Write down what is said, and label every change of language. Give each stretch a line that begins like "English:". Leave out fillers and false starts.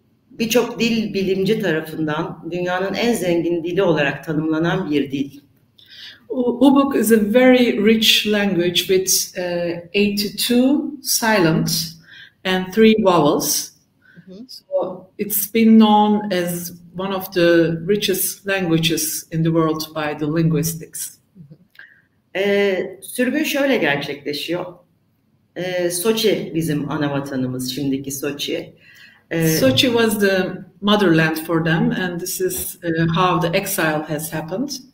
Turkish: Birçok dil bilimci tarafından dünyanın en zengin dili olarak tanımlanan bir dil.
English: Ubykh is a very rich language with 82 silent and 3 vowels. So it's been known as one of the richest languages in the world by the linguistics.
Turkish: Sürgün şöyle gerçekleşiyor. Soçi bizim ana vatanımız, şimdiki Soçi.
English: Sochi was the motherland for them, and this is how the exile has happened.